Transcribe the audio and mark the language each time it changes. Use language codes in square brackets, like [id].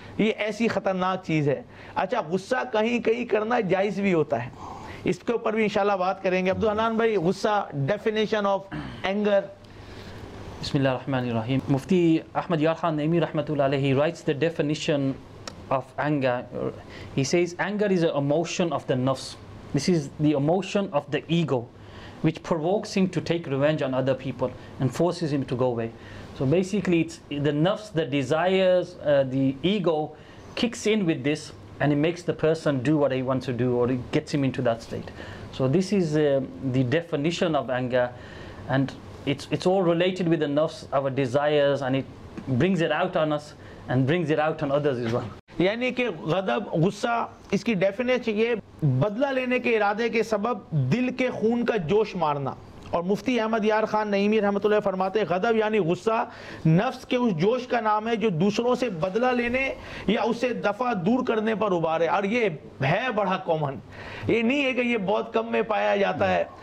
[hi] ये ऐसी ख़तरनाक चीज़ है. अच्छा, गुस्सा कहीं कहीं करना जायज़ भी होता है, इसके ऊपर भी इंशाल्लाह बात करेंगे. अब्दुल हनान भाई, गुस्सा, [en] Definition of anger. [ar] बिस्मिल्लाह रहमान रहीम. [en] Mufti Ahmad Yar Khan Naeemi [ar] रहमतुल्लाह अलैहि [en] Writes the definition of anger. He says anger is an emotion of the nafs. This is the emotion of the ego which provokes him to take revenge on other people and forces him to go away. So basically it's the nafs, the desires, the ego kicks in with this and it makes the person do what he wants to do or it gets him into that state. So this is the definition of anger, and it's all related with the nafs, our desires, and it brings it out on us and brings it out on others as well. [hi] यानी कि गदब, गुस्सा, इसकी definition ये बदला लेने के इरादे के सबब दिल के खून का जोश मारना. और मुफ्ती अहमद यार खान नईमी रहमतुल्लाह फरमाते हैं गदब यानी गुस्सा नफ्स के उस जोश का नाम है जो दूसरों से बदला लेने या उससे दफा दूर करने पर उबारे. और ये है बड़ा कॉमन, ये नहीं है कि ये बहुत कम में पाया जाता है.